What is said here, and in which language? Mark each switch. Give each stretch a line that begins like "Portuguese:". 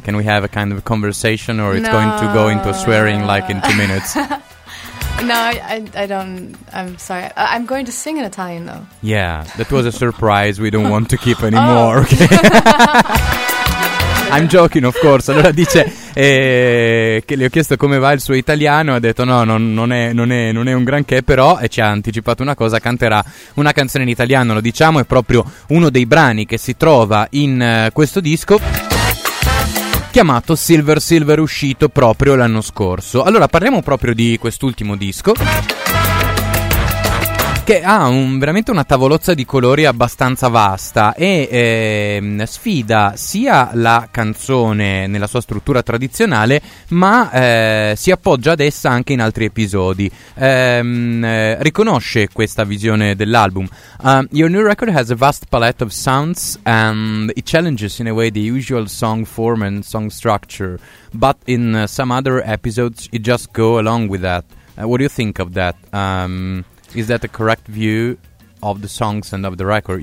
English: Can we have a kind of a conversation or it's no, going to go into swearing like in 2 minutes? No, I don't. I'm sorry. I'm going to sing in Italian though. Yeah, that was a surprise we don't want to keep anymore. Oh. Okay. I'm joking, of course.
Italian: Allora dice che le ho chiesto come va il suo italiano. Ha detto no, non è un granché. Però e ci ha anticipato una cosa. Canterà una canzone in italiano. Lo diciamo, è proprio uno dei brani che si trova in questo disco, chiamato Silver Silver, uscito proprio l'anno scorso. Allora parliamo proprio di quest'ultimo disco, che ha veramente una tavolozza di colori abbastanza vasta e sfida sia la canzone nella sua struttura tradizionale, ma si appoggia ad essa anche in altri episodi. Riconosce questa visione dell'album.
English: Your new record has a vast palette of sounds and it challenges in a way the usual song form and song structure, but in some other episodes it just go along with that. What do you think of that? Is that the correct view of the songs and of the record?